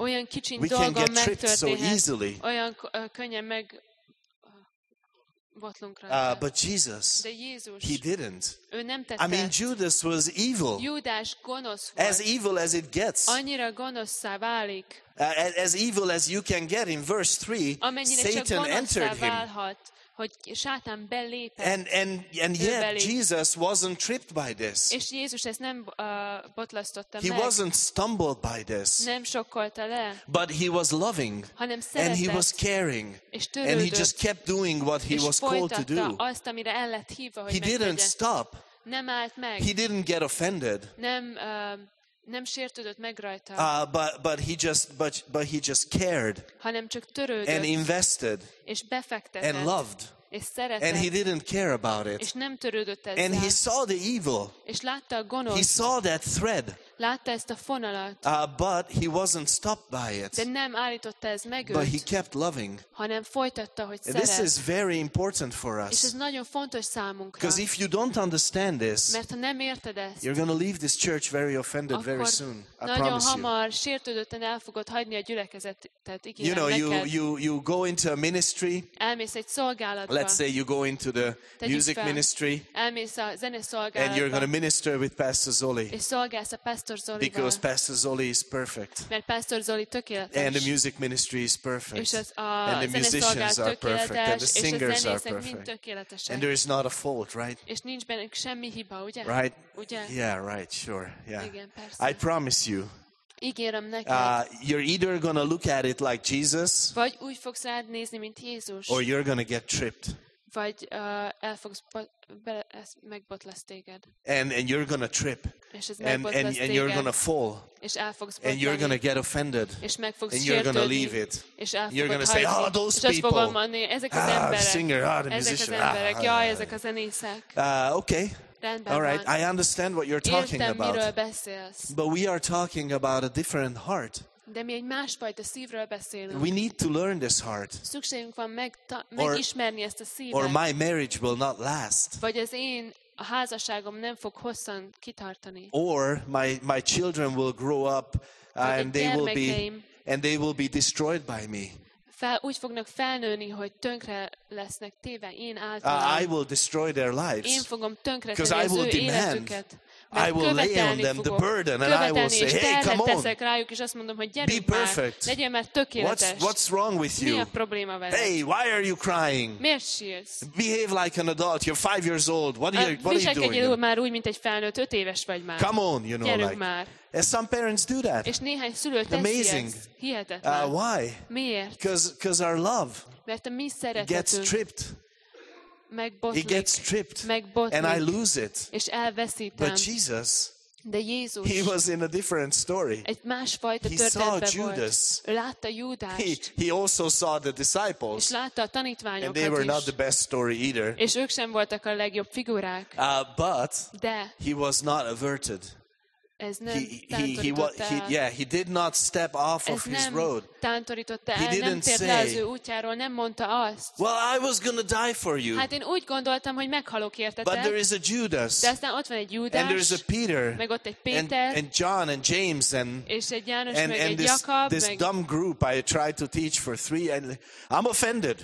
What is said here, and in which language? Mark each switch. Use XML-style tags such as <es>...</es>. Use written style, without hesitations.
<hu>Olyan kicsin dolgon megtörténhet.</hu> <en>So easily.</en> <hu>Olyan könnyen meg.</hu> <en>But Jesus,</en> <hu>Jézus,</hu> <en>he didn't.</en> <hu>Ő nem tette.</hu> <en>I mean, Judas was evil.</en> <hu>Judas gonosz volt.</hu> <en>As evil as it gets.</en> <hu>Annyira gonosszá válik.</hu> <en>As evil as you can get in verse 3,</en> <hu>amennyire</hu> <en>Satan entered him.</en> <hu>Válhat, hogy Sátán belépett.</hu> <en>And yet Jesus wasn't tripped by this.</en> <hu>És Jézus ezt nem botlasztotta meg.</hu> <en>He wasn't stumbled by this.</en> <hu>Nem sokkolta le.</hu> <en>But he was loving.</en> <hu>Hanem szeretett.</hu> <en>And he was caring.</en> <hu>És törődött.</hu> <en>And he just kept doing what he was called to do.</en> <hu>És folytatta azt, amire el lett hívva, hogy</hu> <en>he didn't stop.</en> <hu>Nem állt meg.</hu> <en>He didn't get offended.</en> <hu>Nem sértődött meg rajta.</hu> <en>But he just cared.</en> <hu>Hanem csak törődött.</hu> <en>And invested.</en> <hu>És befektetett.</hu> <en>And loved.</en> <hu>És szeretett.</hu> <en>And he didn't care about it.</en> <hu>És nem törődött ezzel.</hu> <en>And he saw the evil.</en> <hu>És látta a gonoszt.</hu> <en>He saw that thread.</en> <hu>Látta ezt a fonalat.</hu> <en>But he wasn't stopped by it.</en> <hu>De nem állította ez meg őt.</hu> <en>But he kept loving.</en> <hu>Hanem folytatta, hogy szeret.</hu> <en>This is very important for us.</en> <hu>És ez nagyon fontos számunkra.</hu> <en>Because if you don't understand this,</en> <hu>mert ha nem érted ezt,</hu> <en>you're going to leave this church very offended,</en> <hu>akkor</hu> <en>very soon. I</en> <hu>nagyon hamar</hu> <en>you.</en> <hu>Sértődötten el fogod hagyni a gyülekezetet. Igen,</hu> <en>you know, you go into a ministry.</en> <hu>Elmész egy szolgálatba.</hu> <en>Let's say you go into the music ministry.</en> <hu>Elmész a zeneszolgálatba.</hu> <en>And you're going to minister with Pastor Zoli.</en> <hu>És szolgálsz a Pastor Zoli-val.</hu> <en>Because Pastor Zoli is perfect.</en> <hu>Mert Pastor Zoli tökéletes.</hu> <en>And the music ministry is perfect.</en> <hu>És az a</hu> <en>and the musicians are perfect. And the singers are perfect. And there is not a fault, right?</en> <hu>És nincs benne semmi hiba, ugye?</hu> <en>Right?</en> <hu>Ugye?</hu> <en>Yeah, right, sure. Yeah.</en> <hu>Igen, persze.</hu> <en>I promise you.</en> <hu>Ígérem neked.</hu> <en>You're either going to look at it like Jesus.</en> <hu>Vagy úgy fogsz rád nézni, mint Jézus.</hu> <en>Or you're going to get tripped.</en> <hu>Vagy el fogsz megbotlasz téged.</hu> <en>And you're gonna trip.</en> <hu>És ez megbotlasz téged.</hu> <en>And you're gonna fall.</en> <hu>És el fogsz botlani.</hu> <en>And you're gonna get offended.</en> <hu>És meg fogsz sértődni.</hu> <en>And you're gonna leave it.</en> <hu>És el fogod</hu> <en>you're gonna say,</en> <hu>hagyni.</hu> <en>Ah, those</en> <hu>és</hu> <en>people.</en> <hu>Azt fogom mondani, ezek az emberek.</hu> <en>Ah, singer, ah, the musician.</en> <hu>Ezek az emberek. Jaj, ezek a zenészek.</hu> <en>Okay.</en> <hu>Rendben</hu> <en>all right, I understand what you're talking</en> <hu>értem,</hu> <en>about.</en> <hu>Miről beszélsz.</hu> <en>But we are talking about a different heart.</en> <hu>De mi egy másfajta szívről beszélünk.</hu> <en>We need to learn this heart.</en> <hu>Szükségünk van megismerni ezt a szívet.</hu> <en>Or my marriage will not last.</en> <hu>Vagy az én a házasságom nem fog hosszan kitartani.</hu> <en>Or my children will grow up and they will be destroyed by me.</en> <hu>Úgy fognak felnőni, hogy tönkre lesznek téve én által.</hu> <en>I will destroy their lives.</en> <hu>Én fogom tönkre tenni az ő életüket.</hu> <en>I will lay on them the burden and I will say, hey, come on,</en> <hu>rájuk, és azt mondom, hogy</hu> <en>be perfect.</en> <hu>Már tökéletes.</hu> <en>What's wrong with you?</en> <hu>Mi a probléma veled?</hu> <en>Hey, why are you crying?</en> <hu>Miért sírsz?</hu> <en>Behave like an adult. You're 5 years old. What are you doing?</en> <hu>Már úgy, mint egy felnőtt, 5 éves vagy már.</hu> <en>Come on, you know,</en> <hu>gyerünk</hu> <en>like.</en> <hu>Már.</hu> <en>And some parents do that.</en> <hu>És néhány szülő teszi ezt.</hu> <en>Amazing.</en> <hu>Hihetetlen.</hu> <en>Why?</en> <hu>Miért?</hu> <en>Because our love gets tripped.</en> <hu>Megbotlik,</hu> <en>he gets tripped,</en> <hu>megbotlik,</hu> <en>and I lose it.</en> <hu>És elveszítem.</hu> <en>But Jesus,</en> <hu>de Jézus,</hu> <en>he was in a different story.</en> <hu>Egy másfajta</hu> <en>he saw Judas.</en> <hu>Volt. Látta Judást.</hu> <en>He also saw the disciples.</en> <hu>És látta a tanítványokat</hu> <en>and they were</en> <hu>is.</hu> <en>Not the best story either.</en> <hu>És ők sem voltak a legjobb figurák.</hu> <en>But</en> <hu>de</hu> <en>he was not averted.</en> <hu>Ez nem tántorította.</hu> <en>Yeah, he did not step off of his road.</en> <hu>Ez nem tántorította el, nem tért le az ő útjáról, nem mondta azt.</hu> <en>Well, I was gonna die for you.</en> <hu>Hát én úgy gondoltam, hogy meghalok értetek.</hu> <en>But there is a Judas.</en> <hu>De aztán ott van egy Judas.</hu> <en>And there is a Peter.</en> <hu>Meg ott egy Péter.</hu> <en>And John and James and.</en> <hu>És egy János meg egy Jakab.</hu> <en>This dumb group I tried to teach for 3 and I'm offended.</en>